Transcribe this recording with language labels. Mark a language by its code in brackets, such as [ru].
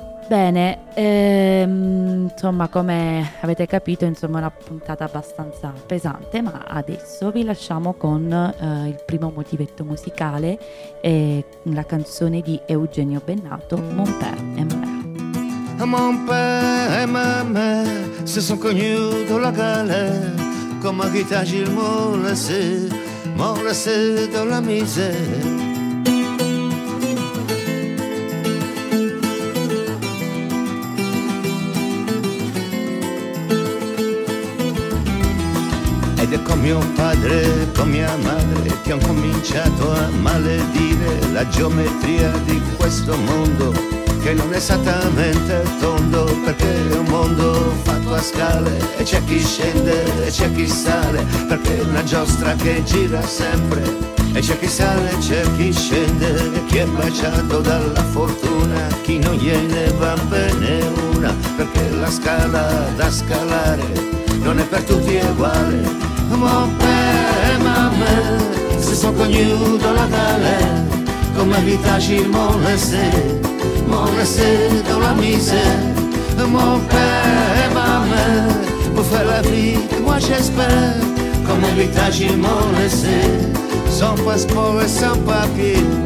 [it] Bene, insomma, come avete capito, insomma, una puntata abbastanza pesante, ma adesso vi lasciamo con il primo motivetto musicale, la canzone di Eugenio Bennato, Mon Père et Ma Mère. [fr] Mon père et ma mère se sont connus dans la galère, comme un guitage ils m'ont laissé dans la misère. [it] Con mio padre, con mia madre, che ho cominciato a maledire la geometria di questo mondo, che non è esattamente tondo, perché è un mondo fatto a scale, e c'è chi scende e c'è chi sale, perché è una giostra che gira sempre, e c'è chi sale e c'è chi scende, e chi è baciato dalla fortuna, chi non gliene va bene una, perché la scala da scalare non è per tutti uguale. [fr] Mon père et ma mère se sont connus dans la galère, comme un vitage ils m'ont laissé dans la misère. Mon père et ma mère pour faire la vie que moi j'espère, comme un vitage ils m'ont laissé, sans passeport et sans papier.